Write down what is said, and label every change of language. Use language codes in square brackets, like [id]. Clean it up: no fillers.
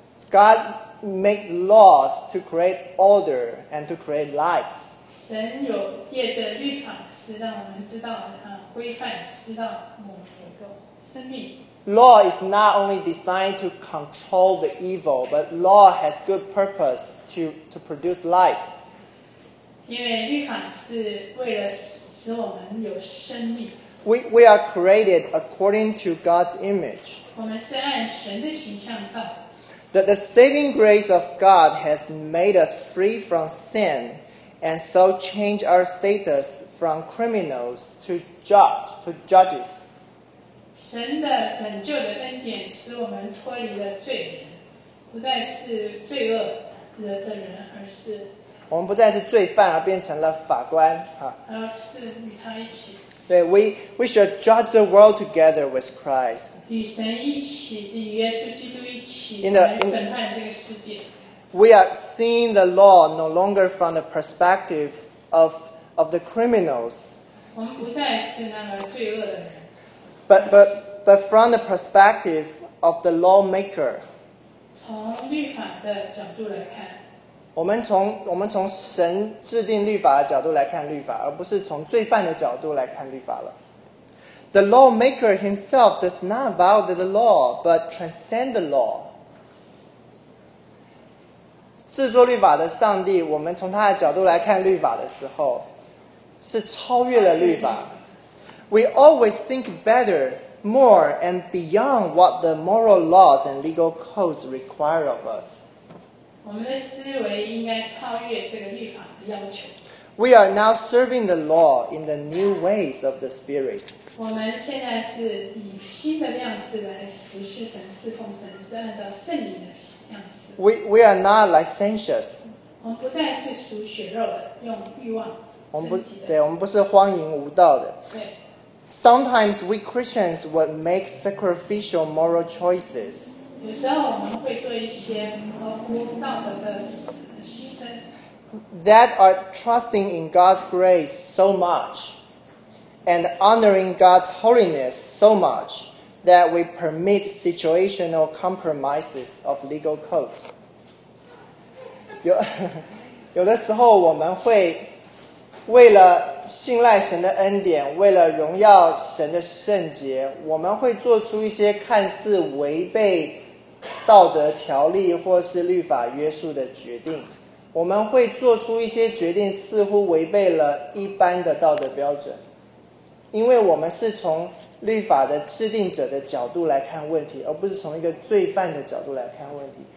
[en] God made laws to create order and to create life. [zh] 神有借着律法是让我们知道规范，知道某个生命。 [en] Law is not only designed to control the evil, but law has good purpose to produce life. [zh] 因为律法是为了使我们有生命。 [en] We are created according to God's image. [zh] 我们是按神的形象造。 [en] The saving grace of God has made us free from sin and so changed our status from criminals to judges. [zh] 神的拯救的恩典使我们脱离了罪人，不再是罪恶的人，而是我们不再是罪犯，而变成了法官。是与他一起。对 [en] we should judge the world together with Christ. [zh] 与神一起，与耶稣基督一起来审判这个世界。 [en] We are seeing the law no longer from the perspective of the criminals. [zh] 我们不再是那个罪恶的人。 [en] But from the perspective of the lawmaker. [zh] 从律法的角度来看。我们从神制定律法的角度来看律法，而不是从罪犯的角度来看律法了。 [en] The lawmaker himself does not violate the law, but transcend the law. [zh] 制作律法的上帝，我们从他的角度来看律法的时候，是超越了律法。 [en] We always think better, more, and beyond what the moral laws and legal codes require of us. [zh] 我们的思维应该超越这个律法的要求。 [en] We are now serving the law in the new ways of the Spirit. [zh] 我们现在是以新的样式来服侍神、侍奉神，是按照圣灵的样式。 [en] We are not licentious. [zh] 我们不再是属血肉的，用欲望身体的。我们不是荒淫无道的。对。 [en] Sometimes we Christians would make sacrificial moral choices. [zh] 有时候我们会做一些合乎道德的牺牲。 [en] That are trusting in God's grace so much, and honoring God's holiness so much, that we permit situational compromises of legal codes. [zh] 有的时候我们会为了信赖神的恩典，为了荣耀神的圣洁，我们会做出一些看似违背道德条例或是律法约束的决定，我们会做出一些决定似乎违背了一般的道德标准，因为我们是从律法的制定者的角度来看问题，而不是从一个罪犯的角度来看问题。